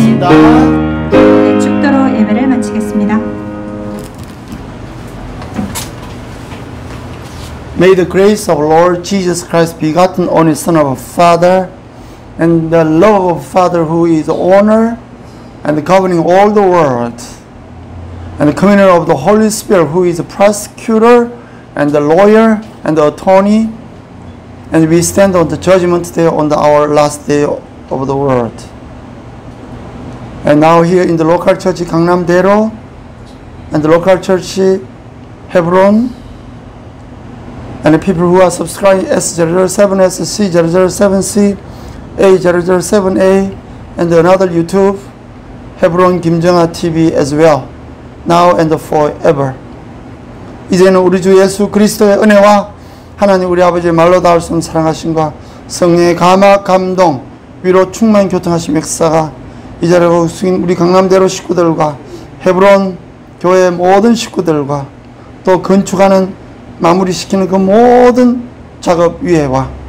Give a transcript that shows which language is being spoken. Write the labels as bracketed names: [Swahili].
[Korean] 축도로 예배를 마치겠습니다. [English] May the grace of Lord Jesus Christ, begotten only Son of our Father, and the love of Father who is honor and governing all the world, and the communion of the Holy Spirit who is the prosecutor and the lawyer and the attorney, and we stand on the judgment day on the, our last day of the world. And now here in the local church Gangnam-daero and the local church Hebron, and the people who are subscribing S007, SC007C, A007A, and another YouTube, Hebron Kim Jong-a TV as well, now and forever. [Korean] 이제는 우리 주 예수 그리스도의 은혜와 하나님 우리 아버지의 말로 닿을 수 있는 사랑하심과 성령의 감화 감동 위로 충만 교통하심 역사가 이 자리에 우승인 우리 강남대로 식구들과 헤브론 교회의 모든 식구들과 또 건축하는 마무리시키는 그 모든 작업 위에와